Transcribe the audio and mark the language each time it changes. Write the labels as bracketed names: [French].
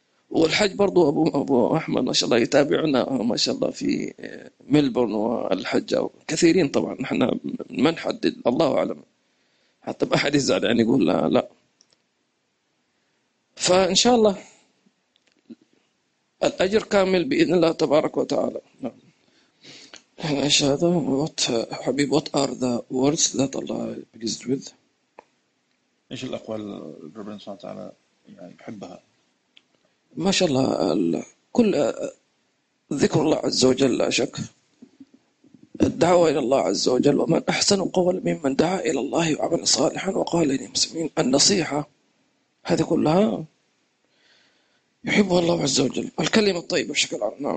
[Arabic] والحج برضو أبو أحمد ما شاء الله يتابعنا ما شاء الله في ملبورن والحجة كثيرين طبعا، نحن ما نحدد الله أعلم، حتى أحد يزعل يعني يقول لا لا. فإن شاء الله الأجر كامل بإذن الله تبارك وتعالى. [English] Shada, what Habib, what are the words that Allah is pleased with? [Arabic] إيش الأقوال ربنا سبحانه وتعالى يعني يحبها؟ ما شاء الله كل ذكر الله عز وجل لا شك، الدعوة إلى الله عز وجل، ومن أحسن قول ممن دعا إلى الله وعمل صالحا وقال للمسلمين، النصيحة هذه كلها يحبها الله عز وجل، الكلمة الطيبة بشكل عام.